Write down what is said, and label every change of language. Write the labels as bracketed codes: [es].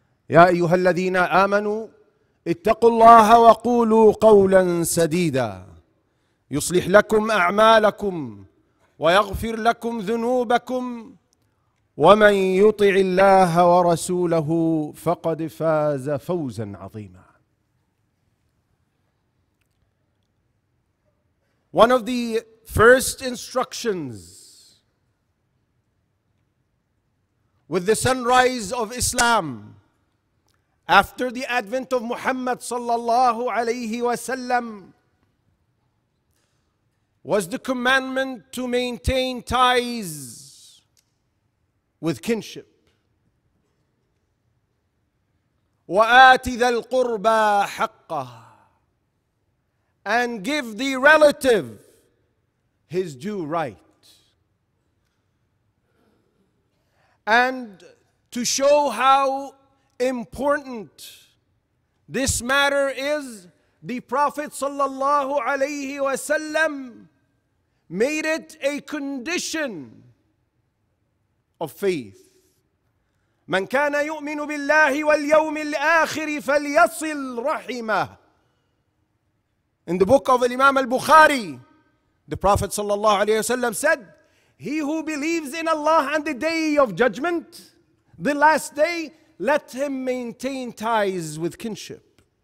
[ar] يا أيها الذين آمنوا اتقوا الله وقولوا قولا سديدا يصلح لكم أعمالكم ويغفر لكم ذنوبكم ومن يطع الله ورسوله فقد فاز فوزا عظيما. [en] One of the first instructions with the sunrise of Islam after the advent of Muhammad sallallahu alayhi wa sallam was the commandment to maintain ties with kinship. [ar] وَآتِ ذَا الْقُرْبَى حَقَّهُ [en] and give the relative his due right. And to show how important this matter is, the Prophet sallallahu alayhi wa sallam made it a condition of faith. [ar] من كان يؤمن بالله واليوم الآخر فليصل رحمه. [en] In the book of Imam al-Bukhari, the Prophet sallallahu alayhi wasallam said, he who believes in Allah and the day of judgment, the last day, let him maintain ties with kinship.